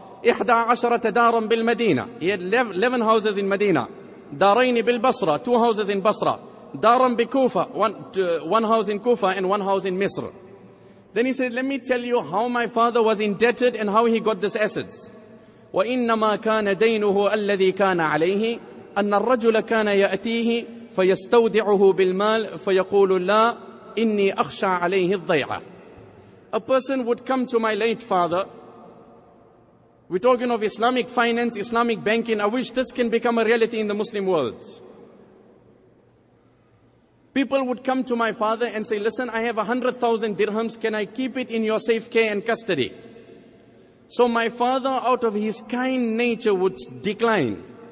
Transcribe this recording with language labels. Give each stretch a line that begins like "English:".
English: إِحْدَى عَشَرَةَ دَارًا بِالْمَدِينَةِ. He had 11 houses in Medina. دارين بالبصرة, two houses in Basra. دارا بكوفة, one house in Kufa and one house in Misr. Then he says, let me tell you how my father was indebted and how he got this assets.
Arabic: وإنما كان دينه الذي كان عليه أن الرجل كان يأتيه فيستودعه بالمال فيقول لا إني أخشى عليه الضيعة.
English: A person would come to my late father. We're talking of Islamic finance, Islamic banking. I wish this can become a reality in the Muslim world. People would come to my father and say, listen, I have 100,000 dirhams. Can I keep it in your safe care and custody? So my father, out of his kind nature, would decline.